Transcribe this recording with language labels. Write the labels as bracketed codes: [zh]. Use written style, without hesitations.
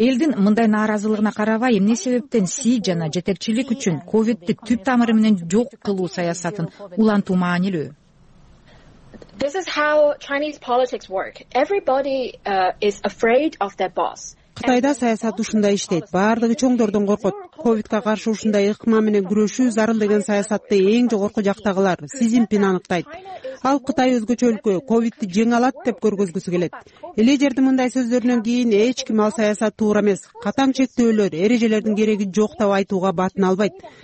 [ky] элдин мындай нааразылыгына карабай, эмне себептен Си жана жетекчилик үчүн ковидди түп тамыры менен жок кылуу саясатын улантуу маанилүү? [en] This is how Chinese politics work. Everybody is afraid of their boss. [ky] Кытайда саясат ушундай иштейт. Баардыгы чоңдордон коркот. Ковидке каршы ушундай ыкма менен күрөшүү зарыл деген саясатты эң жогорку жактагылар, Си Цзиньпин аныктайт. Ал Кытай өзгөчө өлкө, ковидди жеңе алат деп көргөзгүсү келет. Эле жердин мындай сөздөрүнөн кийин эч ким ал саясат туура эмес, катаң чектөөлөр, эрежелердин кереги жок деп айтууга батына албайт.